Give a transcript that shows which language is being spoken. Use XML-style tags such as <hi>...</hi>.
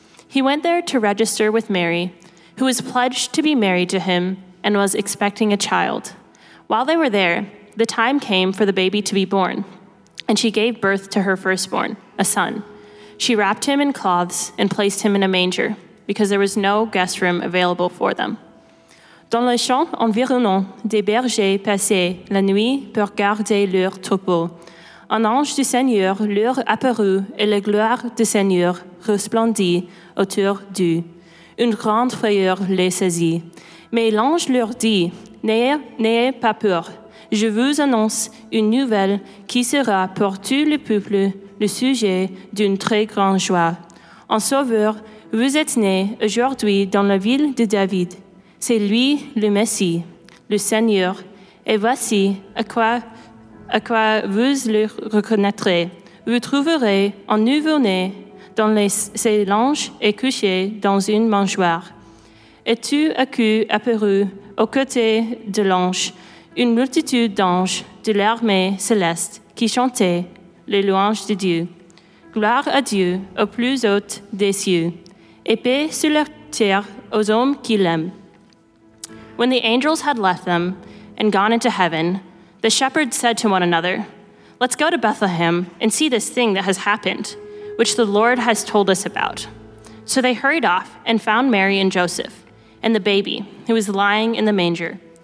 <en>He went there to register with Mary, who was pledged to be married to him and was expecting a child. While they were there, the time came for the baby to be born, and she gave birth to her firstborn, a son. She wrapped him in cloths and placed him in a manger, because there was no guest room available for them.</en> <fr>Dans les champs environnants, des bergers passaient la nuit pour garder leur troupeau. Un ange du Seigneur leur apparut et la gloire du Seigneur resplendit autour d'eux. Une grande frayeur les saisit. Mais l'ange leur dit, n'ayez pas peur. Je vous annonce une nouvelle qui sera pour tout le peuple le sujet d'une très grande joie. Un sauveur, vous êtes né aujourd'hui dans la ville de David. C'est lui le Messie, le Seigneur. Et voici à quoi vous le reconnaîtrez. Vous trouverez un nouveau-né dans ses langes et couché dans une mangeoire. Et tout à coup apparut aux côtés de l'ange une multitude d'anges de l'armée céleste qui chantaient les louanges de Dieu. Gloire à Dieu au plus haut des cieux et paix sur la terre aux hommes qui l'aiment.</fr> <en>When the angels had left them and gone into heaven, the shepherds said to one another, "Let's go to Bethlehem and see this thing that has happened, which the Lord has told us about." So they hurried off and found Mary and Joseph and the baby who was lying in the manger.</en>